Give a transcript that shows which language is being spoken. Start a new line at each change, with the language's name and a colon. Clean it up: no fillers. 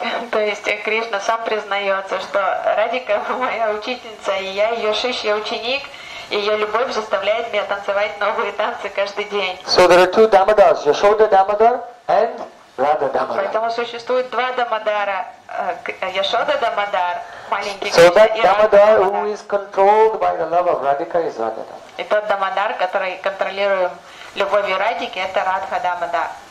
Russian: То есть Кришна сам признается, что Радика моя учительница, и я ее шишья ученик, ее любовь заставляет меня танцевать новые танцы каждый день.
English: So there are two damodars, Yashoda damodar and Radha damodar.
Russian: Поэтому существует два дамодара, Yashoda damodar, маленький.
English: So that damodar who is controlled by the love of Radhika is Radha.
Russian: И тот дамодар, который контролируем любовью Радики, это Радха дамодар.